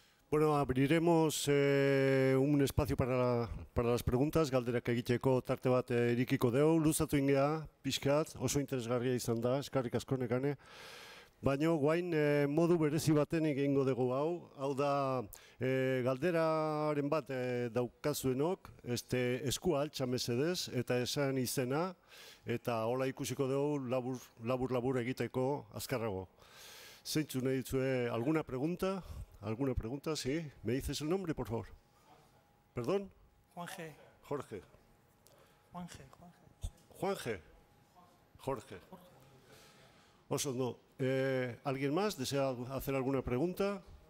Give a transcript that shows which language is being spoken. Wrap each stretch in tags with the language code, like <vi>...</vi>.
<es>Bueno, abriremos un espacio para las preguntas.</es> <eu>Galderak egiteko tarte bat irikiko deu. Luzatu ingea, pixkat, oso interesgarria izan da, eskarrik asko Nekane. Baina guain modu berezi baten egingo dugu hau. Hau da, galderaren bat daukazuenok, este, eskua altxa mesedez, eta esan izena, eta hola ikusiko deu labur egiteko azkarrago. Zeintzu nahi ditzue,</eu> <es>alguna pregunta? ¿Alguna pregunta? Sí. ¿Me dices el nombre, por favor? ¿Perdón? Juanje. Jorge. Juanje. Jorge. Oso, no. ¿Alguien más desea hacer alguna pregunta?</es>